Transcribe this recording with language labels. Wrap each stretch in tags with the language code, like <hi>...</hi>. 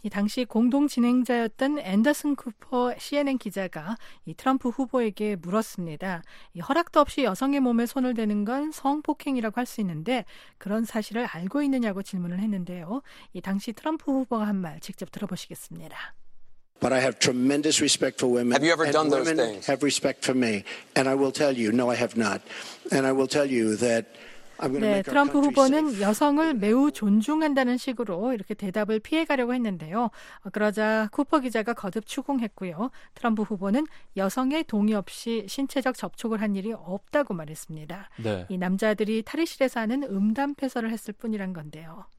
<ko>이 당시 공동 진행자였던 앤더슨 쿠퍼 CNN 기자가 이 트럼프 후보에게 물었습니다. 이 허락도 없이 여성의 몸에 손을 대는 건 성폭행이라고 할 수 있는데 그런 사실을 알고 있느냐고 질문을 했는데요. 이 당시 트럼프 후보가 한 말 직접 들어보시겠습니다.</ko> <en>But I have tremendous respect for women. Have you ever done those things? And women have respect for me. And I will tell you, no, I have not. And I will tell you that I'm going to make our country safe.</en> <ko>후보는 여성을 매우 존중한다는 식으로 이렇게 대답을 피해가려고 했는데요. 그러자 쿠퍼 기자가 거듭 추궁했고요. 트럼프 후보는 여성의 동의 없이 신체적 접촉을 한 일이 없다고 말했습니다. 네. 이 남자들이 탈의실에서 하는 음담패설을 했을 뿐이란 건데요.</ko>